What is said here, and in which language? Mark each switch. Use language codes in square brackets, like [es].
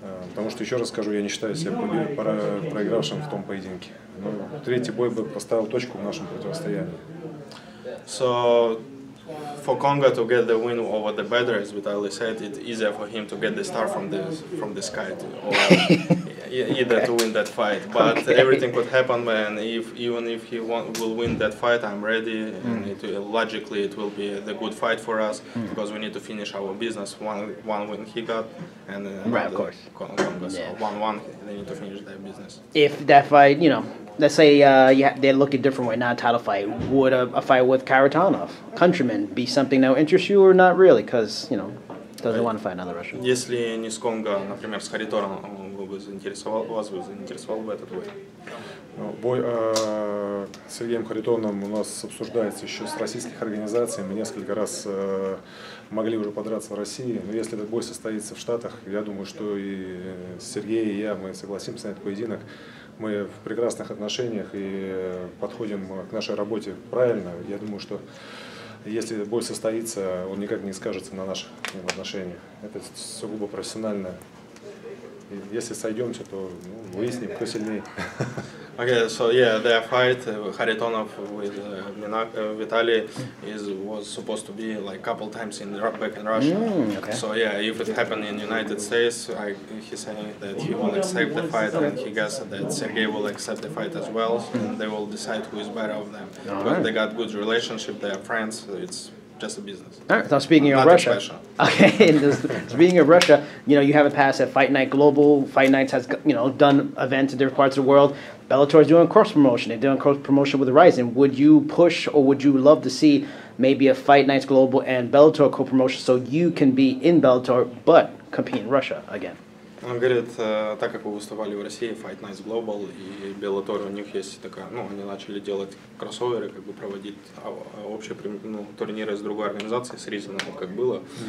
[ru] Потому что, еще раз скажу, я не считаю себя проигравшим в том поединке. Но третий бой бы поставил точку в нашем противостоянии. [en] So, for Конго to get the win over the Bellator, as Vitaly said, it easier for him to get the star from the sky to, or either okay. to win that fight. But okay. everything could happen, man. If even if he will win that fight, I'm ready. Mm. And it will, logically, it will be the good fight for us mm. because we need to finish our business. One win he got, and right, of course, Conga, so yeah. one they need to finish their business. If that fight, you know. Let's say they're looking different way, not a title fight. Would a fight with Karatanov, Countryman, be something that would interest you or not really? Because, you know, doesn't want to fight another Russian. [ru] Если не с Конго, например, с Харитоном, он бы заинтересовал вас, бы заинтересовал бы этот бой? Бой с Сергеем Харитоном у нас обсуждается еще с российских организаций. Мы несколько раз могли уже подраться в России. Но если этот бой состоится в Штатах, я думаю, что и Сергей, и я, мы согласимся на этот поединок. Мы в прекрасных отношениях и подходим к нашей работе правильно. Я думаю, что если бой состоится, он никак не скажется на наших отношениях. Это сугубо профессионально. И если сойдемся, то ну, выясним, кто сильнее. [en] Okay, so yeah, their fight Харитонов with Vitaly was supposed to be like couple times in back in Russia. Mm, okay. So yeah, if it happened in United States, he's saying that he will accept the fight, and he guessed that Sergey will accept the fight as well, and they will decide who is better of them. All right. They got good relationship, they are friends. So it's just a business. All right. So speaking of Russia, okay. Speaking of Russia, you know, you have a pass at Fight Night Global. Fight Nights has, you know, done events in different parts of the world. Bellator is doing cross promotion. They're doing cross promotion with Ryzen. Would you push, or would you love to see maybe a Fight Nights Global and Bellator co promotion so you can be in Bellator but compete in Russia again? [ru] Он говорит, так как вы выступали в России, Fight Nights Global и Bellator, у них есть такая, ну, они начали делать кроссоверы, как бы проводить общие, ну, турниры с другой организацией, с Ryzen, как было.